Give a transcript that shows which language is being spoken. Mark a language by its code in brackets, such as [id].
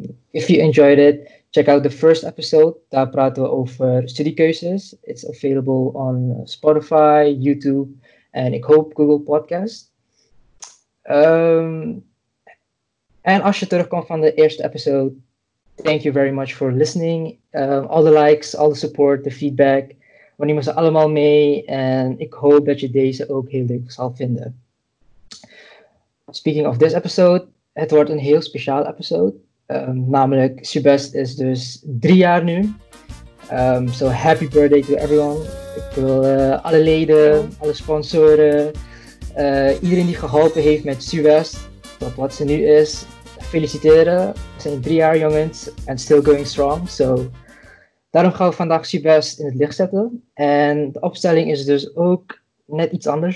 [en] If you enjoyed it, check out the first episode, [nl] daar praten we over studiekeuzes. [en] It's available on Spotify, YouTube [nl] en ik hoop [en] Google Podcast. [nl] En als je terugkomt van de eerste episode, [en] thank you very much for listening. All the likes, all the support, the feedback. [nl] We nemen ze allemaal mee en ik hoop dat je deze ook heel leuk zal vinden. [en] Speaking of this episode, [nl] het wordt een heel speciaal episode. Namelijk, Subest is dus 3 jaar nu. [en] So happy birthday to everyone. [nl] Ik wil alle leden, alle sponsoren, iedereen die geholpen heeft met Subest. Tot wat ze nu is, feliciteren. We zijn 3 jaar jongens en [en] still going strong. [nl] So, daarom gaan we vandaag Subest in het licht zetten. En de opstelling is dus ook net iets anders.